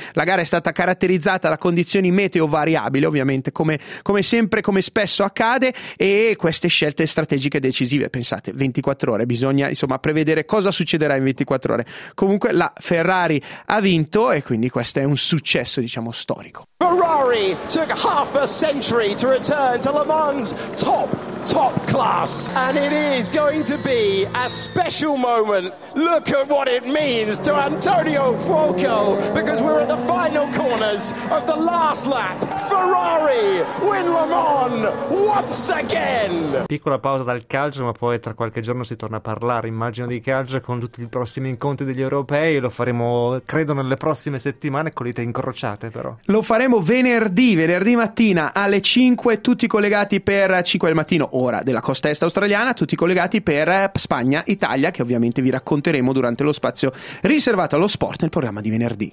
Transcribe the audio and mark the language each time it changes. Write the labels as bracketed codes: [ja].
[it] La gara è stata caratterizzata da condizioni meteo variabili, ovviamente, come spesso accade, e queste scelte strategiche decisive, pensate, 24 ore, bisogna insomma prevedere cosa succederà in 24 ore. Comunque la Ferrari ha vinto, e quindi questo è un successo, diciamo, storico. [en] Ferrari took half a century to return to Le Mans top class, and it is going to be a special moment. Look at what it means to Antonio Fuoco, because we're at the final corners of the last lap. Ferrari win Le Mans once again. [it] Piccola pausa dal calcio, ma poi tra qualche giorno si torna a parlare, immagino, di calcio con tutti i prossimi incontri degli europei. Lo faremo, credo, nelle prossime settimane, con le dita incrociate. Però lo faremo venerdì mattina alle 5, tutti collegati per 5 del mattino ora della costa est australiana, tutti collegati per Spagna Italia, che ovviamente vi racconteremo durante lo spazio riservato allo sport nel programma di venerdì.